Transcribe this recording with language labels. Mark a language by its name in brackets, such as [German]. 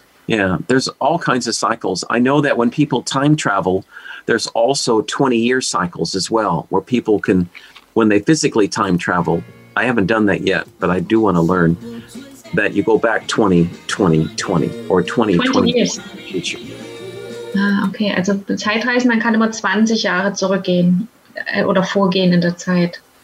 [English] Yeah, there's all kinds of cycles. I know that when people time travel, there's also 20-year cycles as well, where people can, when they physically time travel, I haven't done that yet, but I do want to learn that you go back 20 years. [German] Okay, also Zeitreisen, man kann immer 20 Jahre zurückgehen oder vorgehen in der Zeit.